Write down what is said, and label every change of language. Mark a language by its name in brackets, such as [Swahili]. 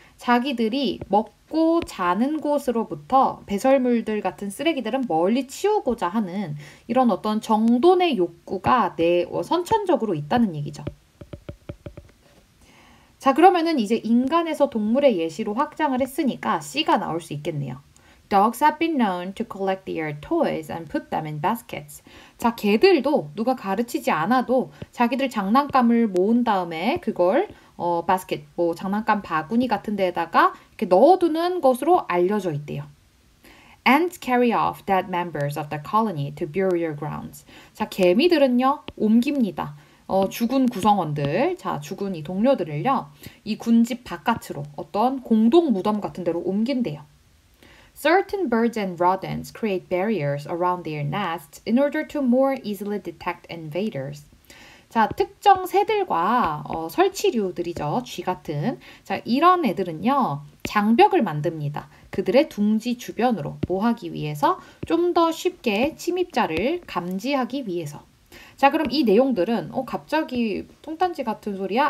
[Korean] 자기들이 먹고 자는 곳으로부터 배설물들 같은 쓰레기들은 멀리 치우고자 하는 이런 어떤 정돈의 욕구가 내 선천적으로 있다는 얘기죠. 자, 그러면은 이제 인간에서 동물의 예시로 확장을 했으니까 C가 나올 수 있겠네요. [English] Dogs have been known to collect their toys and put them in baskets. [Korean] 자, 개들도 누가 가르치지 않아도 자기들 장난감을 모은 다음에 그걸 바스켓, 뭐 장난감 바구니 같은 데에다가 이렇게 넣어두는 것으로 알려져 있대요. [English] Ants carry off dead members of the colony to burial grounds. [Korean] 자, 개미들은요, 옮깁니다. 죽은 구성원들, 자, 죽은 이 동료들을요, 이 군집 바깥으로 어떤 공동 무덤 같은 데로 옮긴대요. [English] Certain birds and rodents create barriers around their nests in order to more easily detect invaders. [Korean] 자, 특정 새들과 설치류들이죠. 쥐 같은. 자, 이런 애들은요, 장벽을 만듭니다. 그들의 둥지 주변으로 뭐 하기 위해서? 좀더 쉽게 침입자를 감지하기 위해서. 자, 그럼 이 내용들은, 갑자기 통딴지 같은 소리야?